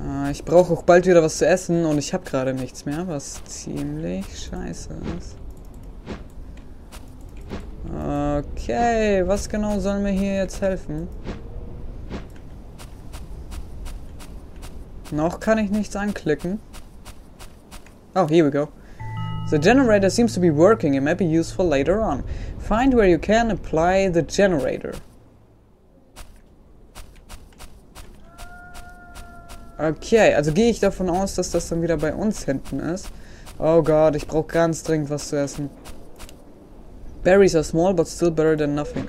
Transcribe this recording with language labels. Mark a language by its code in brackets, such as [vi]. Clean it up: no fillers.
[de] Ich brauche auch bald wieder was zu essen und ich habe gerade nichts mehr, was ziemlich scheiße ist. Okay, was genau soll mir hier jetzt helfen? Noch kann ich nichts anklicken. [en] Oh, here we go. The generator seems to be working. It may be useful later on. Find where you can apply the generator. [de] Okay, also gehe ich davon aus, dass das dann wieder bei uns hinten ist. Oh Gott, ich brauche ganz dringend was zu essen. [en] Berries are small, but still better than nothing.